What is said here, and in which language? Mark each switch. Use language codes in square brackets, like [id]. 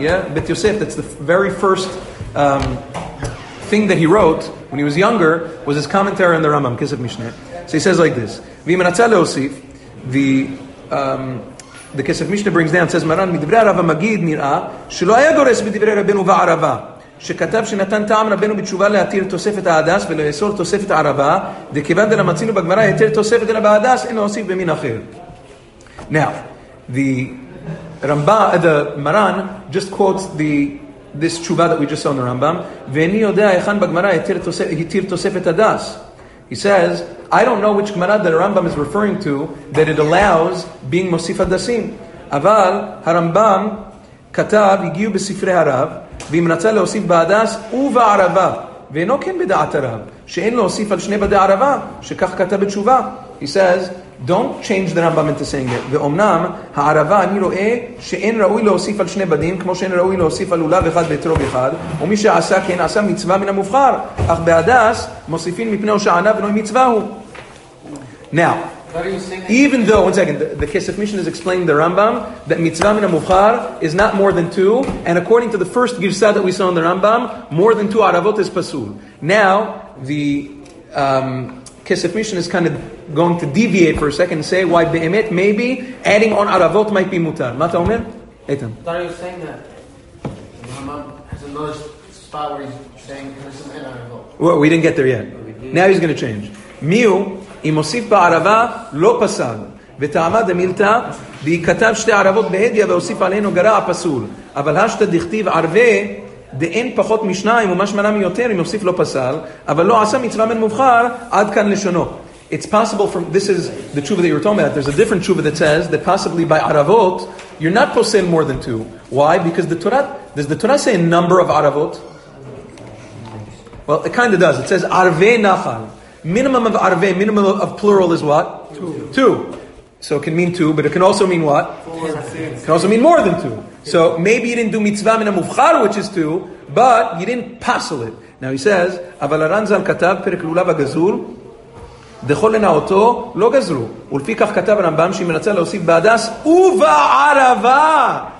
[en] yeah, Bet Yosef, that's the very first thing that he wrote when he was younger, was his commentary on the Rambam, Kesef Mishneh. So he says like this, [he] V'imanatza leosif, [en] the Kesef Mishneh brings down, says Maran, [he] מדברי הרב המגיד נראה, שלא היה גורס בדברי רבנו והערבה. שכתב שנתן טעם רבנו בתשובה להתיר תוספת ההדס ולאסור תוספת הערבה, דכיוון דלה מצינו בגמרא יתר תוספת אלא בהדס, אין להוסיף במין אחר. [en] Now, the Ramban, the Maran, just quotes this תשובה that we just saw in the Rambam, [he] ואיני יודע איכן בגמרא יתיר תוספת הדס. [en] He says, I don't know which Gemara that Rambam is referring to that it allows being מוסיף הדסים. [he] אבל הרמב״ם כתב, הגיעו בספרי הרב, ואם רצה להוסיף בהדס ובערבה, ואינו כן בדעת הרב, שאין להוסיף על שני בדי ערבה, שכך כתב בתשובה. [en] He says, don't change the Rambam into saying it. [he] ואומנם, הערבה אני רואה שאין ראוי להוסיף על שני בדים, כמו שאין ראוי להוסיף על אולב אחד ואתרוג אחד, ומי שעשה כן עשה מצווה מן המובחר, אך בהדס מוסיפים מפני הושענה ולא מצווה הוא. [en] Now, even though, one second, the Kesef Mishneh is explaining the Rambam that mitzvah min ha-mukhar is not more than two, and according to the first girsa that we saw in the Rambam, more than two aravot is pasul. Now, the Kesef Mishneh is kind of going to deviate for a second and say, why be'emet, maybe adding on aravot might be mutar. [he] Ma ta omer? Eitan. [en] I thought he was saying that Rambam has another spot where he's saying there's some in aravot. Well, we didn't get there yet. Now he's going to change. [he] Miu, אם מוסיף בערבה, לא פסל. וטעמה דמילתה, והיא כתב שתי ערבות בהדיה, והוסיף עלינו גרע הפסול. אבל השתה דכתיב ערבה, דאין פחות משניים, ומשמעלה מיותר, אם מוסיף לא פסל, אבל לא עשה מצווה מן מובחר, עד כאן לשונו. [en] It's possible from, this is the תשובה that you're talking about, there's a different תשובה that says, that possibly by ערבות, you're not פוסל more than two. Why? Because the Torah, does the Torah say a number of ערבות? Well, it kind of does. It says, [he] ערבה נחל. [en] Minimum of arve, minimum of plural is what? Two. So it can mean two, but it can also mean what? Four. It can also mean more than two. So maybe you didn't do mitzvah min ha-mufchar, which is two, but you didn't passel it. Now he says, [he] אבל הרמב"ם כתב פרק לולב הגזור, דכל לנאותו לא גזרו. ולפי כך כתב הרמב"ם שמרצה להוסיף בהדס, ובערבה,